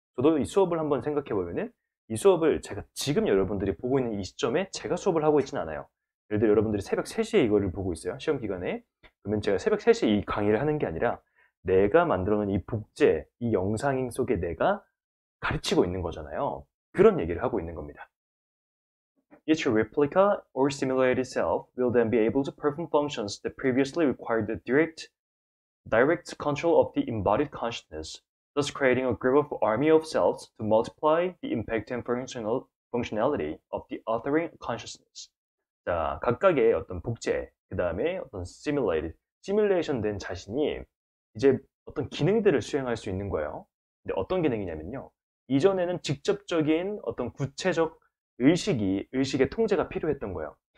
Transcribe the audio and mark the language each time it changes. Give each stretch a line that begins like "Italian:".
Korean: 저도 이 수업을 한번 생각해 보면은 이 수업을 제가 지금 여러분들이 보고 있는 이 시점에 제가 수업을 하고 있진 않아요. 예를 들어 여러분들이 새벽 3시에 이거를 보고 있어요. 시험 기간에. 그러면 제가 새벽 3시에 이 강의를 하는 게 아니라 내가 만들어 놓은 이 복제, 이 영상 속에 내가 가르치고 있는 거잖아요. 그런 얘기를 하고 있는 겁니다.
English: Each replica or simulated self will then be able to perform functions that previously required the direct control of the embodied consciousness, thus creating a group of army of selves to multiply the impact and functionality of the authoring consciousness.
Korean: 자, 각각의 어떤 복제, 그 다음에 어떤 시뮬레이션 된 자신이 이제 어떤 기능들을 수행할 수 있는 거예요. 근데 어떤 기능이냐면요. 이전에는 직접적인 어떤 구체적 의식의 통제가 필요했던 거예요.